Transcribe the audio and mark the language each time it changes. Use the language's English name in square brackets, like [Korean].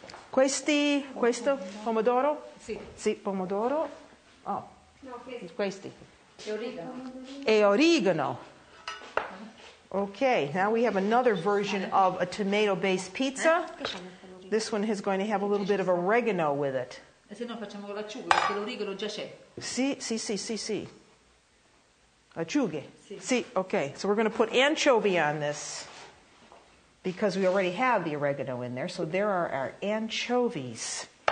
[Italian] Questo pomodoro? Sì. Sì, pomodoro. Oh. No, questi. E origano. E origano. [English] Okay, now we have another version of a tomato-based pizza. This one is going to have a little bit of oregano with it. [Italian] E se no facciamo con l'acciughe, perché l'origano già c'è. Sì, sì, sì, sì, sì. Acciughe. Sì. Sì, okay. [English] So we're going to put anchovy on this. Because we already have the oregano in there, so there are our anchovies.